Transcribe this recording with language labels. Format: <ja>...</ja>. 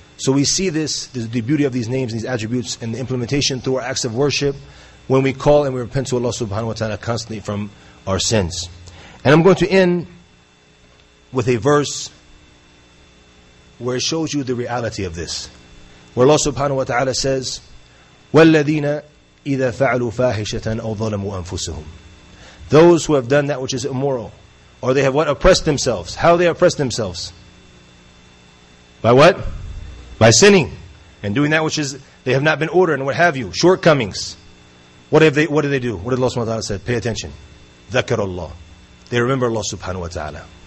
<en>So we see this, the beauty of these names, these attributes, and the implementation through our acts of worship, when we call and we repent to Allah subhanahu wa ta'ala constantly from our sins. And I'm going to end with a verse where it shows you the reality of this. Where Allah subhanahu wa ta'ala says,</en> <ar>وَالَّذِينَ إِذَا فَعَلُوا فَاحِشَةً أَوْ ظَلَمُوا أَنفُسُهُمْ.</ar> <en>Those who have done that which is immoral, or they have what? Oppressed themselves. How they oppress themselves? By what? By sinning. And doing that which is, they have not been ordered and what have you. Shortcomings. What do they do? What did Allah subhanahu wa ta'ala said? Pay attention. Dhakar Allah. They remember Allah subhanahu wa ta'ala.</en>